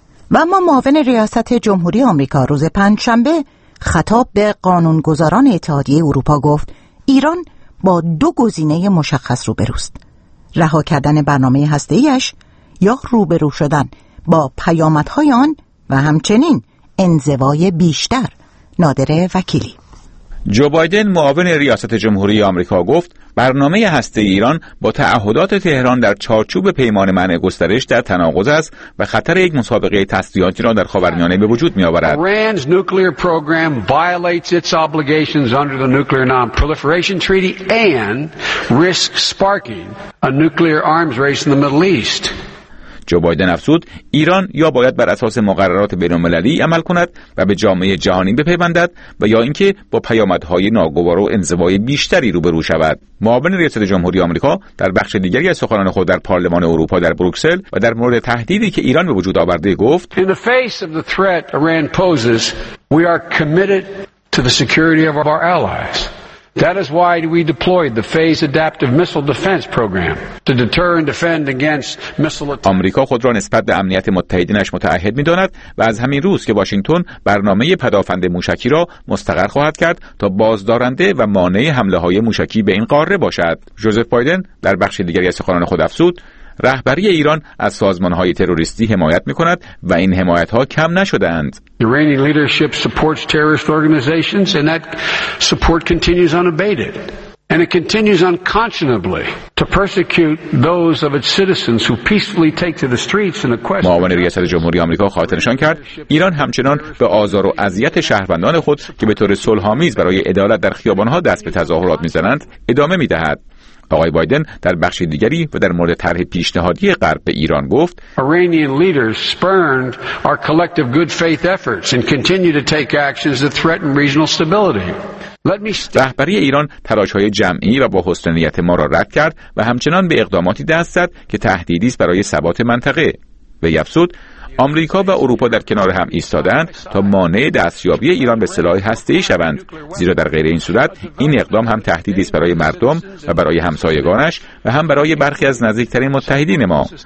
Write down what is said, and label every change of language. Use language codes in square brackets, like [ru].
[fa] و اما معاون ریاست جمهوری آمریکا روز پنجشنبه خطاب به قانونگذاران اتحادیه اروپا گفت ایران با دو گزینه مشخص روبروست: رها کردن برنامه هسته‌ایش یا روبرو شدن با پیامدهای آن و همچنین انزوای بیشتر. نادر وکیلی. جو بایدن معاون ریاست جمهوری آمریکا گفت برنامه هسته ایران با تعهدات تهران در چارچوب پیمان منع گسترش در تناقض است و خطر یک مسابقه تسلیحاتی را در خاورمیانه به وجود می‌آورد. [en] Iran's nuclear program violates its obligations under the Nuclear Non-Proliferation Treaty and risks sparking a nuclear arms race in the Middle East. [fa] جو بایدن افزود ایران یا باید بر اساس مقررات بین‌المللی عمل کند و به جامعه جهانی بپیوندد و یا اینکه با پیامدهای ناگوار و انزوای بیشتری روبرو شود. معاون ریاست جمهوری آمریکا در بخش دیگری از سخنان خود در پارلمان اروپا در بروکسل و در مورد تهدیدی که ایران به وجود آورده گفت: [en] In the face of the threat Iran poses, we are committed to the security of our allies. That is why we deployed the Phase Adaptive Missile Defense Program to deter and defend against missile attacks. [fa] آمریکا خود را نسبت به امنیت متحدینش متعهد می‌داند و از همین روز که واشنگتن برنامه پدافند موشکی را مستقر خواهد کرد تا بازدارنده و مانع حمله‌های موشکی به این قاره باشد. جوزف بایدن در بخش دیگری از سخنان خود افزود: رهبری ایران از سازمان‌های تروریستی حمایت می‌کند و این حمایت‌ها کم نشده‌اند. [en] Iranian leadership supports terrorist organizations and that support continues unabated and it continues unconscionably to persecute those of its citizens who peacefully take to the streets in a quest. [fa] معاون ریاست جمهوری آمریکا خاطر نشان کرد ایران همچنان به آزار و اذیت شهروندان خود که به طور صلح‌آمیز برای عدالت در خیابان‌ها دست به تظاهرات می‌زنند ادامه می‌دهد. آقای بایدن در بخش دیگری و در مورد طرح پیشنهادی غرب به ایران گفت: [en] Iranian leaders spurned our collective good faith efforts and continue to take actions that threaten regional stability. [fa] رهبری ایران تلاش‌های جمعی و با حسنیت ما را رد کرد و همچنان به اقداماتی دست زد که تهدیدی است برای ثبات منطقه. و یفسود آمریکا و اروپا در کنار هم ایستادند تا مانع دستیابی ایران به سلاح هسته‌ای شوند، زیرا در غیر این صورت این اقدام هم تهدیدی است برای مردم و برای همسایگانش و هم برای برخی از نزدیکترین متحدین ما.